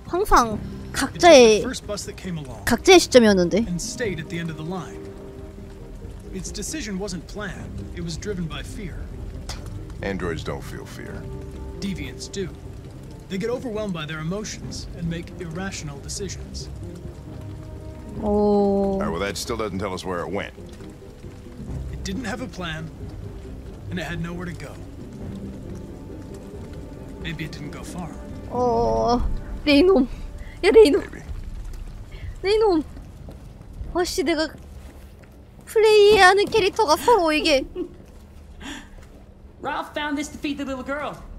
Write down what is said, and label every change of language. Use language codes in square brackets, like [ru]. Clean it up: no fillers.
[ko] 항상 각자의 시점이었는데. [en] And stayed at the end of the line. Its decision wasn't planned. It was driven by fear. Androids don't feel fear. Deviants do. They get overwhelmed by their emotions and make irrational decisions. Oh. Well, that still doesn't tell us where it went. It didn't have a plan, and it had nowhere to go. Maybe it didn't go far. [ko] Oh, 레이놈, 야 레이놈, 레이놈. 아씨, 내가 플레이하는 캐릭터가 서로 이게. [en] Ralph found this to feed the little girl.